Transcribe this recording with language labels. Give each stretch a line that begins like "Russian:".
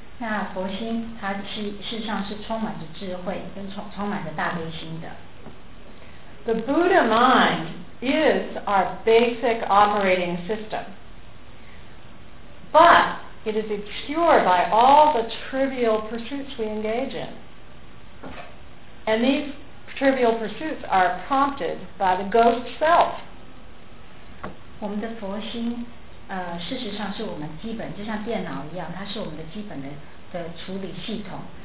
Chinese: 那佛心它事实上是充满着智慧跟充满着大悲心的。
English: The Buddha mind is our basic operating system, but it is obscured by all the trivial pursuits we engage in. And these trivial pursuits are prompted by the ghost self.
Chinese: 我们的佛心事实上是我们基本，就像电脑一样，它是我们的基本的处理系统。